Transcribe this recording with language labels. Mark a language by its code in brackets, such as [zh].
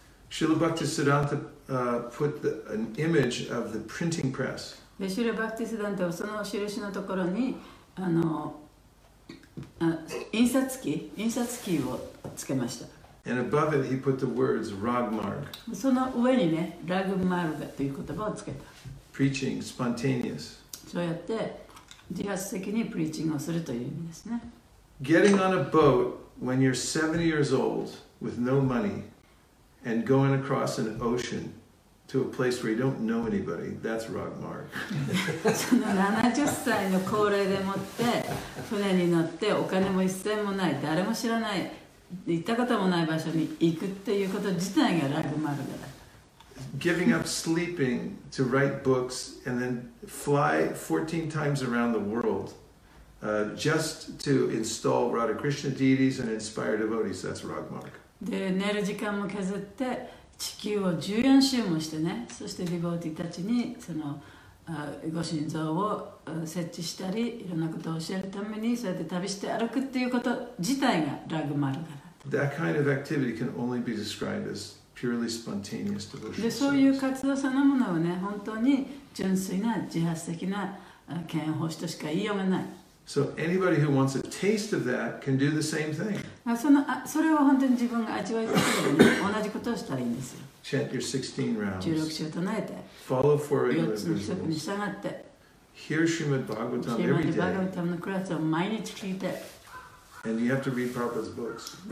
[en] Srila Bhaktisiddhanta put an image of the printing press. Srila Bhaktisiddhanta put an image of the printing press. And above it, he put the words Rag Marg. [ja] その上にね、ラグマルガという言葉をつけた。 [en] Preaching, spontaneous. [ja] そうやって自発的にプリーチングをするという意味ですね。 [en] Getting on a boat when you're 70 years old with no money and going across an ocean to a place where you don't know anybody, that's Rag Marg. [ja] その70歳の高齢でもって船に乗ってお金も一銭もない誰も知らない。行ったこともない場所に行くっていうこと自体がラグマルガだ。 [en] Giving up sleeping to write books and then fly 14 times around the world just to install Radhakrishna deities and inspire devotees, that's Ragmark. [ja] で、寝る時間も削って地球を14周もしてね、そしてディボーティーたちにその、ご神像を設置したり、いろんなことを教えるためにそうやって旅して歩くっていうこと自体がラグマルガ。 [en] That kind of activity can only be described as purely spontaneous devotion. [ja] そういう活動そのものはね、本当に純粋な自発的な嫌悪奉仕としか言いようがない。 [en] So anybody who wants a taste of that can do the same thing. [ja] それは本当に自分が味わいたいように、ね、同じことをしたらいいんですよ。 [en] Chant your 16 rounds. [ja] 16周唱えて。 [en] Follow four regular rituals. [ja] 4つの規則に従って。 [en] Hear Srimad Bhagavatam every day. [ja] 毎日バガヴァタムのクラスを毎日聞いて。 [en] And you have to read Prabhupada's books.